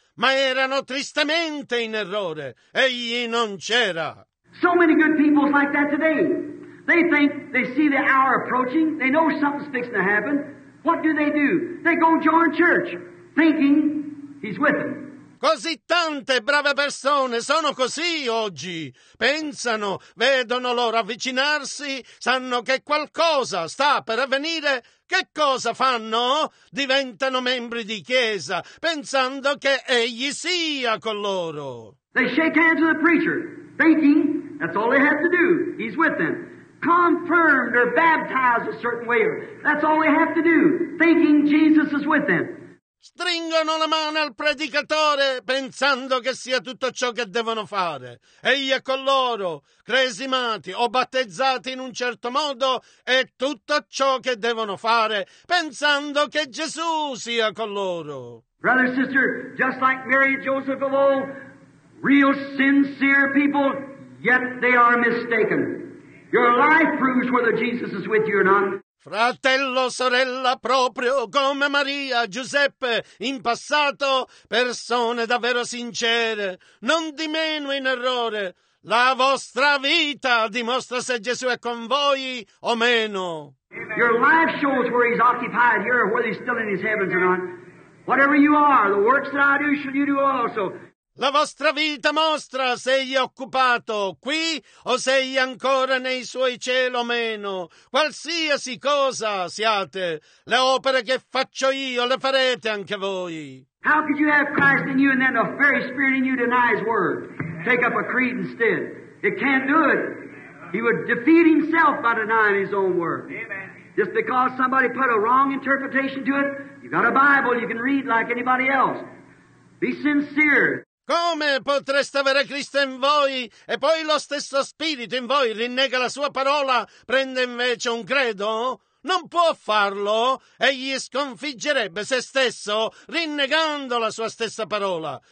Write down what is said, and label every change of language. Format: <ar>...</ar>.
<it>Ma erano tristemente in errore, egli non c'era.</it> <en>So many good people like that today. They think, they see the hour approaching, they know something's fixing to happen. What do? They go join church, thinking he's with them.</en> <it>Così tante brave persone sono così oggi. Pensano, vedono loro avvicinarsi, sanno che qualcosa sta per avvenire. Che cosa fanno? Diventano membri di chiesa, pensando che egli sia con loro.</it> <en>They shake hands with the preacher, thinking that's all they have to do. He's with them. Confirmed or baptized a certain way. That's all they have to do, thinking Jesus is with them.</en> <it>stringono la mano al predicatore pensando che sia tutto ciò che devono fare. Egli è con loro, cresimati o battezzati in un certo modo, è tutto ciò che devono fare pensando che Gesù sia con loro.</it> <en>Brother, sister, just like Mary and Joseph of old, real sincere people, yet they are mistaken. Your life proves whether Jesus is with you or not.</en> <it>Fratello, sorella, proprio come Maria, Giuseppe, in passato, persone davvero sincere, non di meno in errore. La vostra vita dimostra se Gesù è con voi o meno.</it> <en>Your life shows where he's occupied here, whether he's still in his heavens or not. Whatever you are, the works that I do, shall you do also.</en> <it>La vostra vita mostra se egli è occupato qui o se egli è ancora nei suoi cieli o meno. Qualsiasi cosa siate, le opere che faccio io le farete anche voi.</it> <en>How could you have Christ in you and then the very Spirit in you deny his word? Take up a creed instead. It can't do it. He would defeat himself by denying his own word. Amen. Just because somebody put a wrong interpretation to it, you've got a Bible you can read like anybody else. Be sincere.</en> <it>Come potreste avere Cristo in voi e poi lo stesso Spirito in voi rinnega la sua parola, prende invece un credo? Non può farlo. Egli sconfiggerebbe se stesso rinnegando la sua stessa parola.</it>